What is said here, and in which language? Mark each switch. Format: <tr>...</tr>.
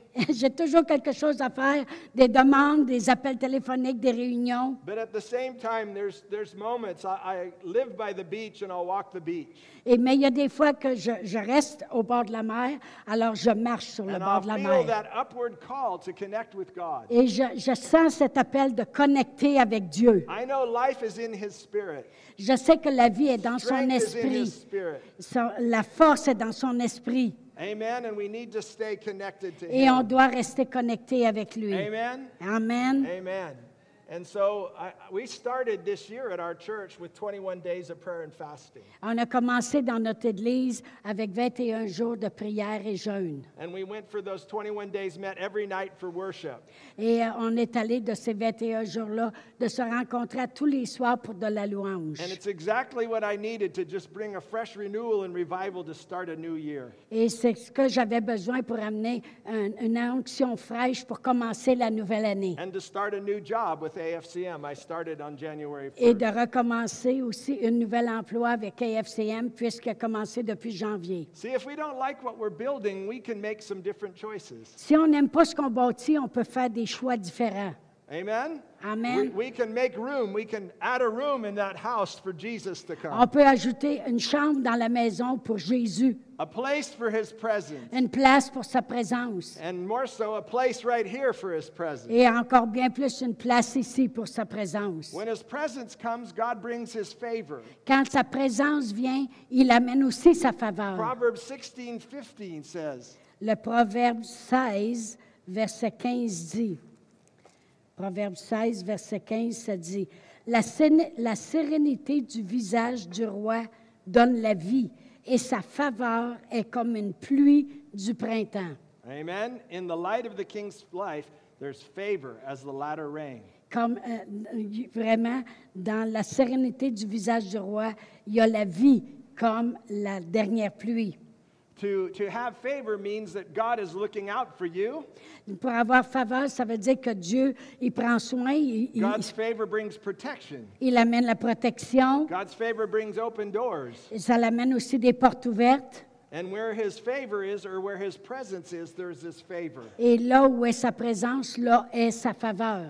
<fr>J'ai toujours quelque chose à faire, des demandes, des appels téléphoniques, des réunions.</fr> <en>But at the same time, there's moments I live by the beach and I'll walk the beach.</en> <fr>Et mais il y a des fois que je reste au bord de la mer, alors je marche sur le bord de la mer.</fr> <en>That upward call to connect with God.</en> <fr>Et je sens cet appel de connecter avec Dieu.</fr> <en>I know life is in his spirit.</en> <fr>Je sais que la vie est dans</fr> <en>Strength</en> <fr>son esprit.</fr> <en>Is in his spirit.</en> <fr>La force est dans son esprit.</fr> <en>Amen. And we need to stay connected to</en> <fr>Et</fr> <en>him.</en> <fr>Et on doit rester connecté avec lui.</fr> <en>Amen. Amen. Amen. And so we started this year at our church with 21 days of prayer and fasting.</en> <fr>On a commencé dans notre église avec 21 jours de prière et jeûne.</fr> <en>And we went for those 21 days, met every night for worship.</en> <fr>Et on est allé de ces 21 jours-là de se rencontrer tous les soirs pour de la louange.</fr> <en>And it's exactly what I needed to just bring a fresh renewal and revival to start a new year.</en> <fr>Et c'est ce que j'avais besoin pour amener une onction fraîche pour commencer la nouvelle année.</fr> <en>And to start a new job. With AFCM, I started on January 1st.</en> <fr>Et de recommencer aussi un nouvel emploi avec AFCM puisqu'il a commencé depuis janvier.</fr> <en>See, if we don't like what we're building, we can make some different choices.</en> <fr>Si on n'aime pas ce qu'on bâtit, on peut faire des choix différents.</fr> <en>Amen? Amen. We can make room. We can add a room in that house for Jesus to come.</en> <fr>On peut ajouter une chambre dans la maison pour Jésus.</fr> <en>A place for his presence.</en> <fr>Une place pour sa présence.</fr> <en>And more so, a place right here for his presence.</en> <fr>Et encore bien plus une place ici pour sa présence.</fr> <en>When his presence comes, God brings his favor.</en> <fr>Quand sa présence vient, il amène aussi sa faveur.</fr> <en>Proverbs 16:15 says.</en> <fr>Le proverbe 16, verset 15 dit. Proverbe 16, verset 15, ça dit, la sérénité du visage du roi donne la vie, et sa faveur est comme une pluie du printemps.</fr> <en>Amen. In the light of the king's life, there's favor as the latter rain.</en> <fr>Comme vraiment, dans la sérénité du visage du roi, il y a la vie comme la dernière pluie.</fr> <en>To have favor means that God is looking out for you.</en> <fr>Pour avoir faveur, ça veut dire que Dieu, il prend soin.</fr> <en>God's favor brings protection.</en> <fr>Il amène la protection.</fr> <en>God's favor brings open doors.</en> <fr>Et ça l'amène aussi des portes ouvertes.</fr> <en>And where his favor is, or where his presence is, there's this favor.</en> <fr>Et là où est sa présence, là est sa faveur.</fr>